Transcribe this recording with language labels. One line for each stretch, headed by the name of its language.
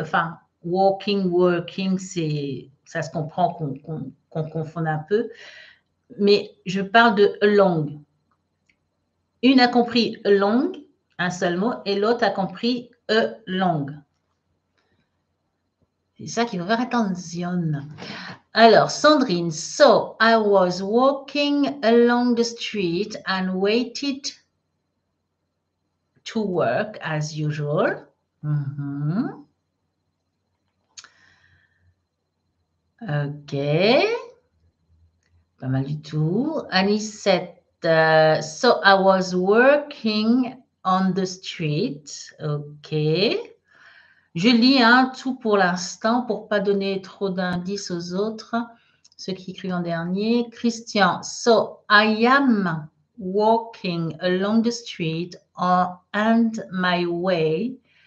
French: Enfin, working, c'est, ça se comprend qu'on confond un peu. Mais je parle de along. Une a compris along, un seul mot, et l'autre a compris along. C'est ça qu'il faut faire attention.
English: Alors, Sandrine, so I was walking along the street and waited to work as usual. OK.
French: Pas mal du tout.
English: And he said, so I was working on the street. OK.
French: Je lis hein, tout pour l'instant pour pas donner trop d'indices aux autres, ceux qui écrivent en dernier.
English: Christian, so I am walking along the street on and my way.